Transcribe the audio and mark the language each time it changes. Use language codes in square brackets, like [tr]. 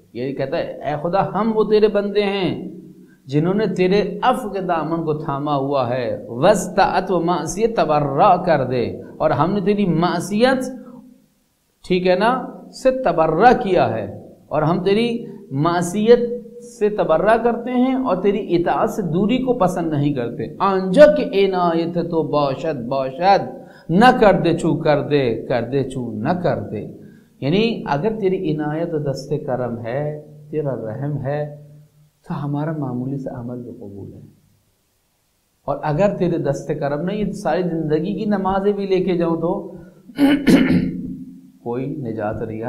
[ur] یہ کہتا ہے اے خدا ہم وہ تیرے بندے ہیں جنہوں نے تیرے اف کے دامن کو تھاما ہوا ہے، وزتاعت و معصیت تبرا کر دے، اور ہم نے تیری معصیت ٹھیک ہے نا سے تبرا کیا ہے، اور ہم تیری معصیت سے تبرا کرتے ہیں اور تیری اطاعت سے دوری کو پسند نہیں کرتے. [fa] آنجا کہ عنایت تو باشد باشد، نہ کر دے چو کر دے، کر دے چو نہ کر دے. [ur] یعنی اگر تیری عنایت و دست کرم ہے، تیرا رحم ہے، تو ہمارا معمولی سے عمل جو قبول ہے. اور اگر تیرے دست کرم نہیں، یہ ساری زندگی کی نمازیں بھی لے کے جاؤں تو کوئی نجات نہیں.